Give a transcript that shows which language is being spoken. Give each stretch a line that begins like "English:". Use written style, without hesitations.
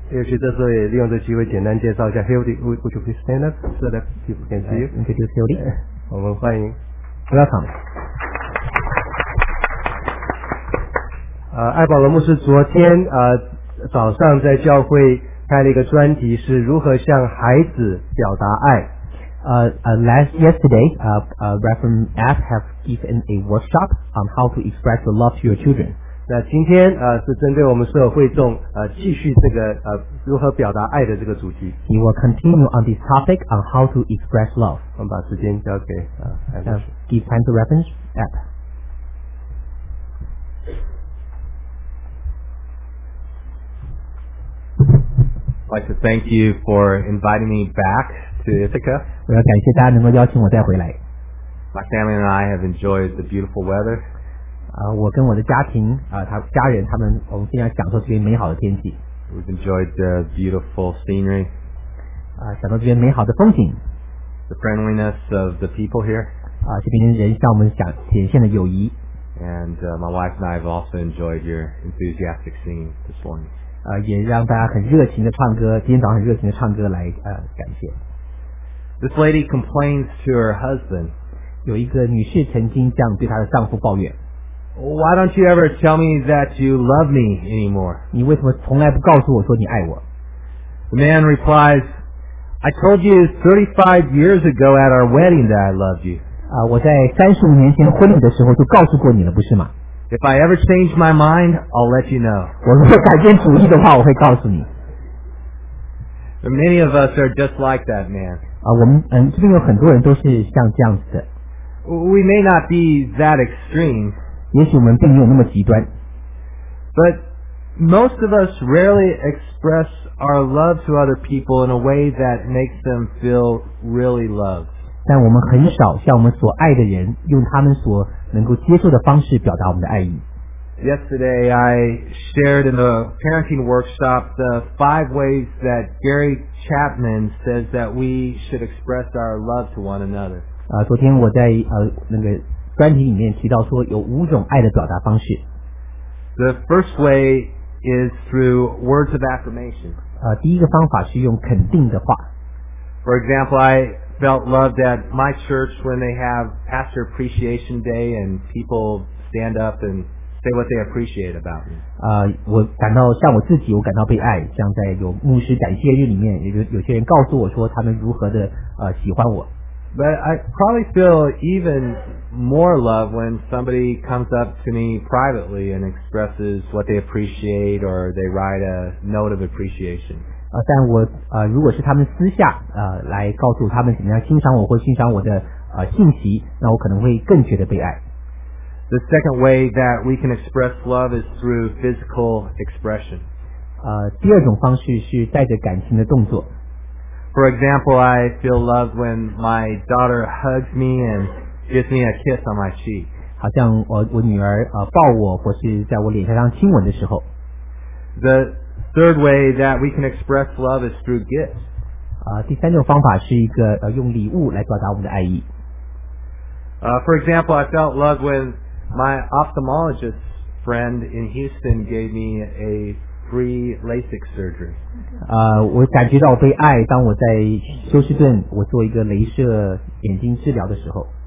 Chinese: 也许这时候也利用这机会简单介绍一下
English: Hildy, would you please stand up so that people can see you? Introduce Hildy.
Chinese: 我们欢迎。
English: Welcome.
Chinese: 艾保罗牧师昨天早上在教会开了一个专题是如何向孩子表达爱。
English: Yesterday, Reverend App have given a workshop on how to express your love to your children.
Chinese: 那今天是针对我们所有会众继续这个如何表达爱的这个主题。
English: He will continue on this topic on how to express love.
Chinese: 我们把时间交给
English: Give time to Reverend App. I'd like to thank you for inviting me back to Ithaca.
Chinese: 我要感谢大家能够邀请我再回来。
English: My family and I have enjoyed the beautiful weather.
Chinese: 我跟我的家庭家人他们我们非常享受这边美好的天气。
English: We've enjoyed the beautiful scenery.
Chinese: 享受这边美好的风景。
English: The friendliness of the people here.
Chinese: 这边人向我们展现的友谊。
English: And my wife and I have also enjoyed your enthusiastic singing this morning.
Chinese: 也让大家很热情的唱歌今天早上很热情的唱歌来感谢
English: This lady complains to her husband
Chinese: 有一个女士曾经这样对她的丈夫抱怨
English: Why don't you ever tell me that you love me anymore
Chinese: 你为什么从来不告诉我说你爱我
English: The man replies I told you 35 years ago at our wedding that I loved you.
Chinese: 我在35年前婚礼的时候就告诉过你了，不是吗？
English: If I ever change my mind, I'll let you know.
Chinese: 我如果改变主意的话，我会告诉你。
English: But many of us are just like that man.
Chinese: 我们这边有很多人都是像这样子的。
English: We may not be that extreme.
Chinese: 也许我们并没有那么极端。
English: But most of us rarely express our love to other people in a way that makes them feel really loved.
Chinese: 但我们很少向我们所爱的人用他们所能够接受的方式表达我们的爱意。
English: Yesterday, I shared in the parenting workshop the 5 ways that Gary Chapman says that we should express our love to one another.
Chinese: 昨天我在那个专题里面提到说有五种爱的表达方式。
English: The first way is through words of affirmation.
Chinese: 第一个方法是用肯定的话。
English: For example, I felt loved at my church when they have Pastor Appreciation Day and people stand up and say what they appreciate about me.
Chinese: 我感到像我自己，我感到被爱。像在有牧师感谢日里面，有些人告诉我说他们如何的喜欢我。
English: But I probably feel even more love when somebody comes up to me privately and expresses what they appreciate or they write a note of appreciation.
Chinese: 但我如果是他们私下来告诉他们怎么样欣赏我或欣赏我的信息，那我可能会更觉得被爱。
English: The second way that we can express love is through physical expression.
Chinese: 第二种方式是带着感情的动作。
English: For example, I feel loved when my daughter hugs me and gives me a kiss on my cheek.
Chinese: 好像我女儿抱我或是在我脸颊上亲吻的时候。
English: The third way that we can express love is through gifts.
Chinese: 第三种方法是一个用礼物来表达我们的爱意。
English: For example, I felt loved when my ophthalmologist friend in Houston gave me a free LASIK surgery.
Chinese: 我感觉到被爱，当我在休斯顿，我做一个雷射眼睛治疗的时候。